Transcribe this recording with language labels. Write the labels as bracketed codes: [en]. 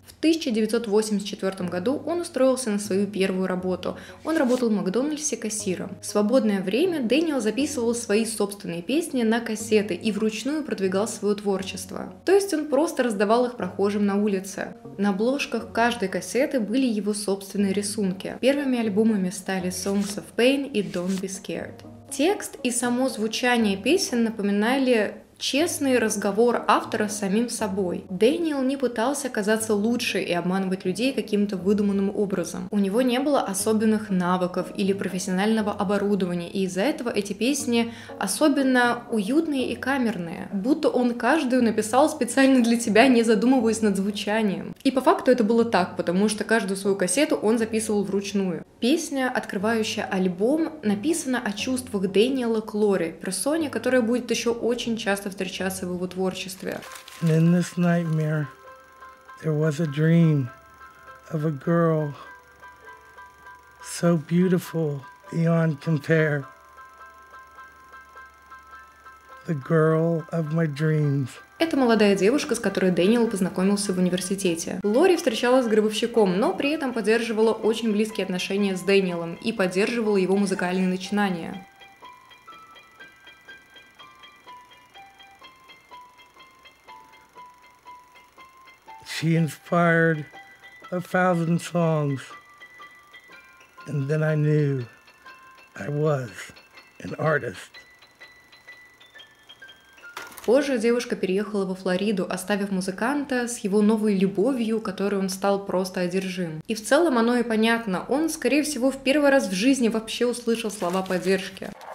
[ru] В 1984 году он устроился на свою первую работу. Он работал в Макдональдсе кассиром. В свободное время Дэниел записывал свои собственные песни на кассеты и вручную продвигал свое творчество. То есть он просто раздавал их прохожим на улице. На обложках каждой кассеты были его собственные рисунки. Первыми альбомами стали «Songs of Pain» и «Don't Be Scared». Текст и само звучание песен напоминали честный разговор автора с самим собой. Дэниел не пытался казаться лучше и обманывать людей каким-то выдуманным образом. У него не было особенных навыков или профессионального оборудования, и из-за этого эти песни особенно уютные и камерные. Будто он каждую написал специально для тебя, не задумываясь над звучанием. И по факту это было так, потому что каждую свою кассету он записывал вручную. Песня, открывающая альбом, написана о чувствах Дэниела к Лоре, персоне, которая будет еще очень часто встречаться в его творчестве. [en] In this nightmare, there was a dream of a girl so beautiful beyond compare. The girl of my dreams. [ru] Это молодая девушка, с которой Дэниел познакомился в университете. Лори встречалась с гробовщиком, но при этом поддерживала очень близкие отношения с Дэниелом и поддерживала его музыкальные начинания. [en] She inspired 1,000 songs, and then I knew I was an artist. [ru] Позже девушка переехала во Флориду, оставив музыканта с его новой любовью, которой он стал просто одержим. И в целом оно и понятно, он, скорее всего, в первый раз в жизни вообще услышал слова поддержки.